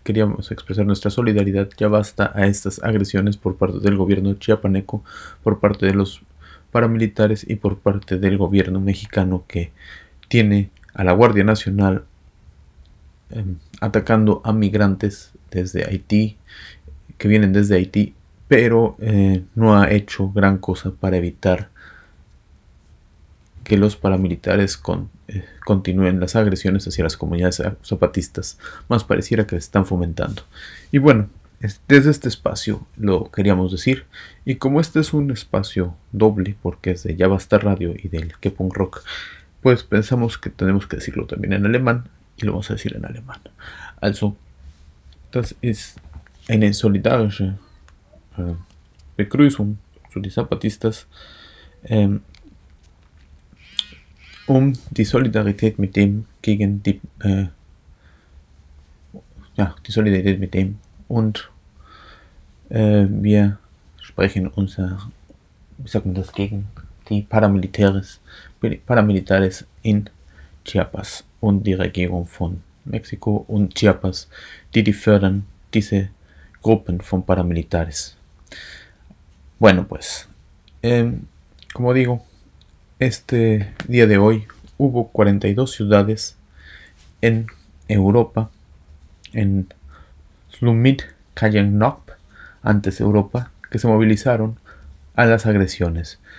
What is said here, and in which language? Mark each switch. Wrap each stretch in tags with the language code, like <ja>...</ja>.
<es>Queríamos expresar nuestra solidaridad, ya basta, a estas agresiones por parte del gobierno chiapaneco, por parte de los paramilitares y por parte del gobierno mexicano, que tiene a la Guardia Nacional atacando a migrantes desde Haití, que vienen desde Haití, pero no ha hecho gran cosa para evitar que los paramilitares continúen las agresiones hacia las comunidades zapatistas. Más pareciera que se están fomentando. Y bueno, desde este espacio lo queríamos decir. Y como este es un espacio doble, porque es de Ya Basta Radio y del Qué Punk Rock, pues pensamos que tenemos que decirlo también en alemán. Y lo vamos a decir en alemán.</es> <de>Also, das ist eine solidarische Begrüßung zu den Zapatistas. Die Solidarität mit dem gegen die die Solidarität mit dem, und wir sprechen unser, wie sagt man das, gegen die Paramilitares in Chiapas und die Regierung von Mexiko und Chiapas, die fördern diese Gruppen von Paramilitares.</de> <es>Bueno, pues como digo, este día de hoy hubo 42 ciudades en Europa, en Slumit, Kajenknop, antes Europa, que se movilizaron a las agresiones.</es>